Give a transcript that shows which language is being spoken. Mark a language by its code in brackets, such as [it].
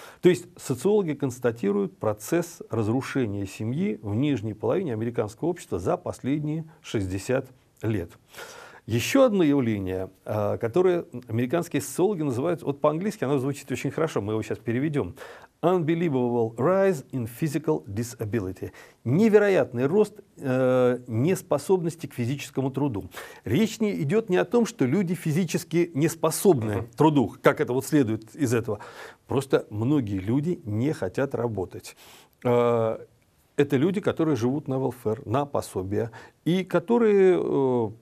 [ru] То есть социологи констатируют процесс разрушения семьи в нижней половине американского общества за последние 60 лет. Еще одно явление, которое американские социологи называют, вот по-английски оно звучит очень хорошо, мы его сейчас переведем. [en] Unbelievable rise in physical disability. [ru] Невероятный рост неспособности к физическому труду. Речь не идет не о том, что люди физически не способны к труду, как это вот следует из этого. Просто многие люди не хотят работать. Это люди, которые живут на welfare, на пособие, и которые...